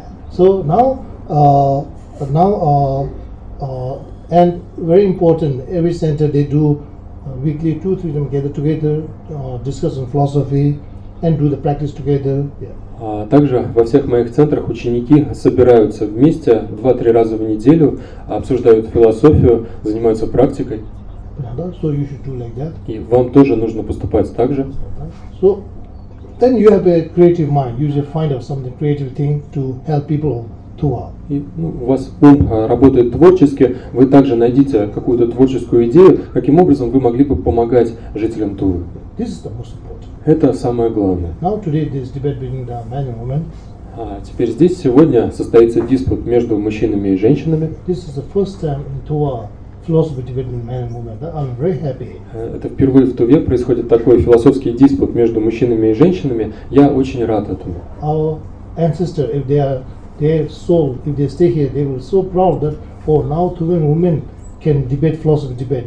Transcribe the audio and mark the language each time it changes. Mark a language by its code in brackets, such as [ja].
[en] So now, and very important, every center they do. Weekly, two, three of them gather together, discuss on philosophy, and do the practice together. Yeah. [ru] Также во всех моих центрах ученики собираются вместе 2-3 раза в неделю, обсуждают философию, занимаются практикой. [en] So you should do like that. [ru] И вам тоже нужно поступать так же. [en] So then you have a creative mind. You should find out something creative thing to help people. [ru] И, ну, у вас ум работает творчески, вы также найдите какую-то творческую идею, каким образом вы могли бы помогать жителям Тувы. [en] This is the most important. [ru] Это самое главное. [en] Now today this debate between the man and woman. [ru] Теперь здесь сегодня состоится диспут между мужчинами и женщинами. [en] This is the first time in Tuva philosophy between man and woman. I'm very happy. [ru] Это впервые в Туве происходит такой философский диспут между мужчинами и женщинами. Я очень рад этому. [en] Our ancestors, if they are their soul, if they stay here, they will be so proud that, oh, now Tuvan women can debate philosophy debate.